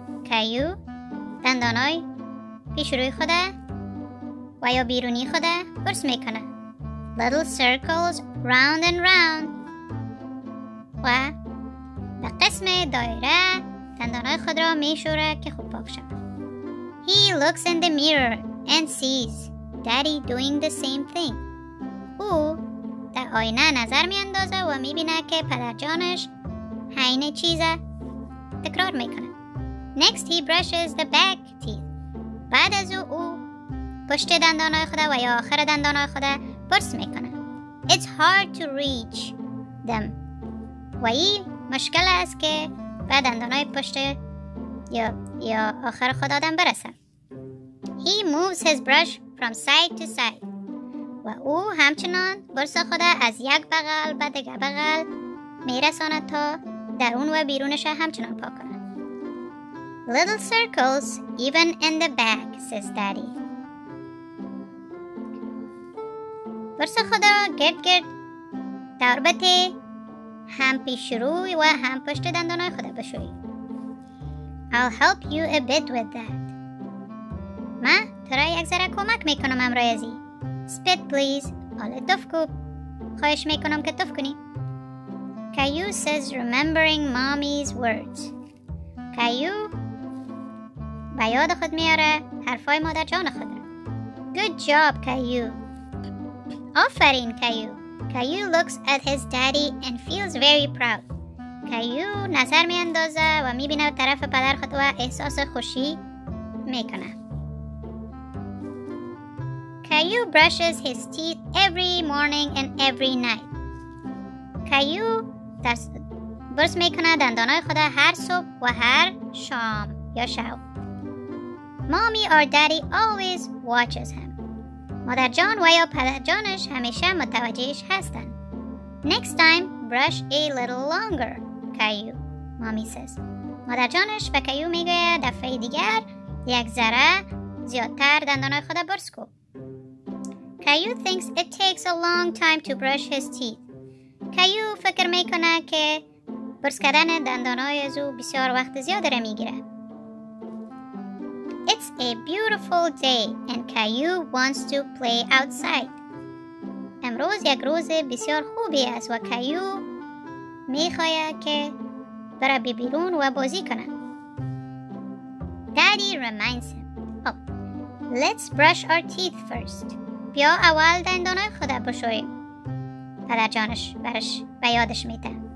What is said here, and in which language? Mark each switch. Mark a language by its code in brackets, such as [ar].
[fa] Caillou دندانای پیش روی خوده و یا بیرونی خوده برس میکنه. [en] Little circles round and round. [fa] و به قسم دایره دندانای خود را میشوره که خوب پاک شد. [en] He looks in the mirror and sees Daddy doing the same thing. [fa] او در آینه نظر میاندازه و میبینه که پدر جانش همین چیز تکرار میکنه. [en] Next he brushes the back teeth. [fa] بعد از او پشت دندانای خود و یا آخر دندانای خود برس میکنه. [en] It's hard to reach them. [fa] و این مشکل است که بعد دندانای پشت یا آخر خود آدم برسه. [en] He moves his brush from side to side. [fa] و او همچنان برس خود از یک بغل به دیگه بغل میرسانه تا درون و بیرونش همچنان پاک کنه. [en] Little circles even in the back, says Daddy. [fa] برس خدا گرد گرد دربته هم پیش روی و هم پشت دندانهای خود بشویی. [en] I'll help you a bit with that. [fa] ما تو را یک ذره کمک میکنم امروی ازی. [en] Spit please. [fa] حالا توف کو. خواهش میکنم که توف کنی. [en] Caillou says remembering mommy's words. [fa] Caillou به یاد خود میاره حرفای مادر جان خود را. [en] Good job, Caillou. [fa] آفرین, [en] Caillou. Caillou looks at his daddy and feels very proud. [fa] Caillou نظر می اندازه و می بینه طرف پدر خود و احساس خوشی می کنه. [en] Caillou brushes his teeth every morning and every night. [fa] Caillou برس می کنه دندانهای خود هر صبح و هر شام یا شب. [en] Mommy or daddy always watches him. [fa] مادر جان و یا پدر جانش همیشه متوجهش هستن. [en] Next time, brush a little longer, Caillou, Mommy says. [fa] مادر جانش به Caillou میگه دفعه دیگر یک ذره زیادتر دندانهای خود برس کو. [en] Caillou thinks it takes a long time to brush his teeth. [fa] Caillou فکر میکنه که برس کردن دندانهای از او بسیار وقت زیاد را میگیره. [en] It's a beautiful day and Caillou wants to play outside. [fa] امروز یک روز بسیار خوبی است و Caillou میخواهد که بره بیرون و بازی کنه. [en] Daddy reminds him. Oh, let's brush our teeth first. [fa] بیا اول دندانهای خود بشوییم. پدر جانش برش به یادش میده.